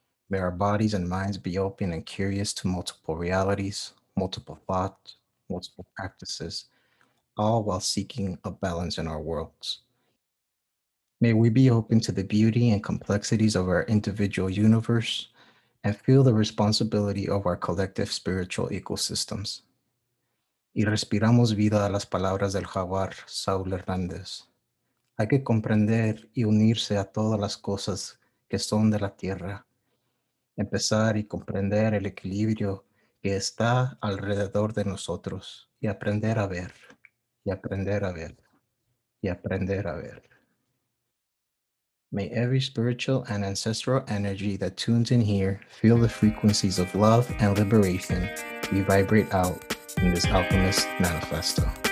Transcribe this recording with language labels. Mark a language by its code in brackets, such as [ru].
[en] May our bodies and minds be open and curious to multiple realities, multiple thoughts, multiple practices, all while seeking a balance in our worlds. May we be open to the beauty and complexities of our individual universe and feel the responsibility of our collective spiritual ecosystems. [es] Y respiramos vida a las palabras del jaguar Saul Hernández. Hay que comprender y unirse a todas las cosas que son de la tierra. Empezar y comprender el equilibrio que está alrededor de nosotros y aprender a ver, y aprender a ver, y aprender a ver. [en] May every spiritual and ancestral energy that tunes in here feel the frequencies of love and liberation we vibrate out in this alchemist manifesto.